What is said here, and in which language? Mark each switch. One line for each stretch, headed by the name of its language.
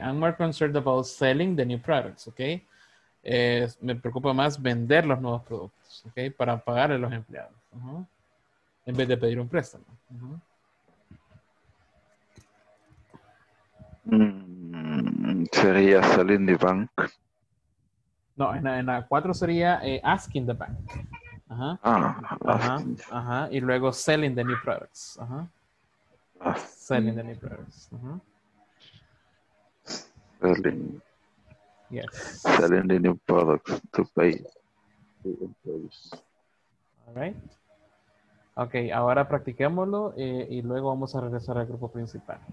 English: I'm more concerned about selling the new products. Okay.
Spanish: Me preocupa más vender los nuevos productos, ¿ok? Para pagarle a los empleados, uh-huh. En vez de pedir un préstamo. Uh-huh. Sería
English: selling the bank.
Spanish: No, en la 4 sería
English: asking the bank.
Spanish: Uh-huh.
English: Asking. Ajá. Uh-huh.
Spanish: Y luego
English: selling the new products. Ajá. Uh-huh. Selling the new products. Ajá. Uh-huh. selling. Yes. Selling the new products to pay the employees. All right.
Spanish: Okay, ahora practiquémoslo y luego vamos a regresar al grupo principal.